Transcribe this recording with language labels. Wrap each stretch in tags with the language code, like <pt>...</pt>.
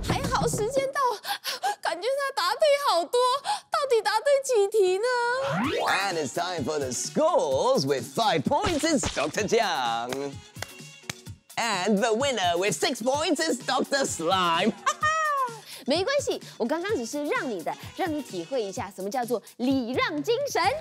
<zh>好，时间到，感觉他答对好多，到底答对几题呢</zh> <en>？And it's time for the scores with 5 points is Dr. Jiang, and the winner with 6 points is Dr. Slime.</en> <zh>没关系，我刚刚只是让你体会一下什么叫做礼让精神。</zh>